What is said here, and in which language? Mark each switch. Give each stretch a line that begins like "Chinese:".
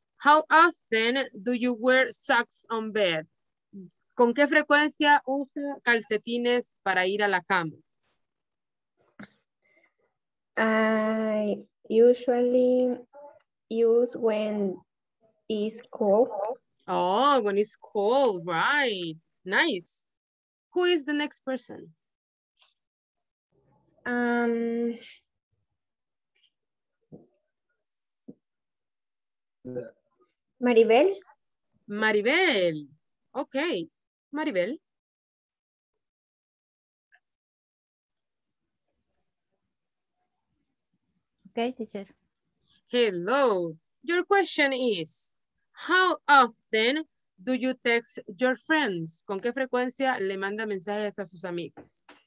English: How often do you wear socks on bed?
Spanish: ¿Con qué frecuencia usa calcetines para ir a la cama?
English: I usually use when it's cold. Oh, when it's cold. Right. Nice. Who is the next person? Maribel. Maribel. Okay. Maribel. Okay, teacher. Hello. Your question is, how often do you text your friends?
Spanish: ¿Con qué frecuencia le manda mensajes a sus amigos?